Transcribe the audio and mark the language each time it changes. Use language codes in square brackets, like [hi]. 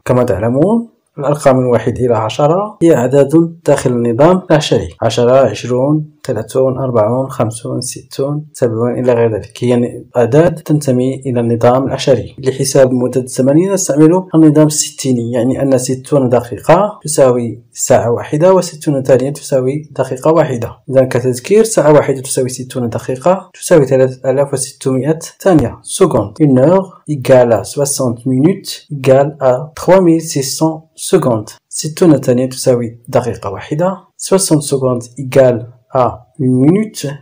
[ar] كما تعلمون الأرقام من 1 إلى 10 هي أعداد داخل النظام العشري، 10، 20، 30، 40، 50، 60، 70 إلى غير ذلك، هي أعداد تنتمي إلى النظام العشري. لحساب مدة الزمنية نستعمل النظام الستيني، يعني أن 60 دقيقة تساوي ساعة واحدة و60 ثانية تساوي دقيقة واحدة. إذا كتذكير، ساعة واحدة تساوي 60 دقيقة تساوي 3600 ثانية سكوند. [fr] une heure égale à 60 minutes égale à 3600 secondes. [ar] 60 ثانية تساوي دقيقة واحدة. [fr] 60 secondes égale à 1 minute.